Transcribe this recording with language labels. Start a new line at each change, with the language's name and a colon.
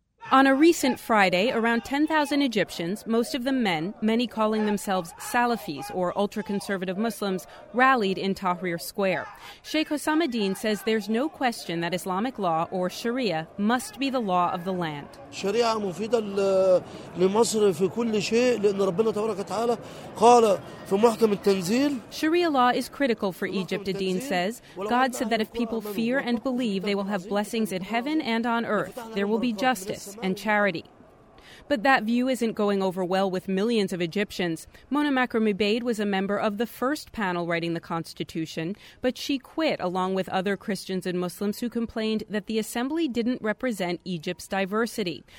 English: On a recent Friday, around 10,000 Egyptians, most of them men, many calling themselves Salafis or ultra-conservative Muslims, rallied in Tahrir Square. Sheikh Osama Deen says there's no question that Islamic law or Sharia must be the law of the land.
Arabic: Sharia مفيدة لمصر في كل شيء لأن ربنا تبارك وتعالى قال في محكم التنزيل.
English: Sharia law is critical for Egypt, Deen says. God said that if people fear and believe, they will have blessings in heaven and on earth. There will be justice and charity. But that view isn't going over well with millions of Egyptians. Mona Makrem-Ubaid was a member of the first panel writing the Constitution, but she quit along with other Christians and Muslims who complained that the assembly didn't represent Egypt's diversity.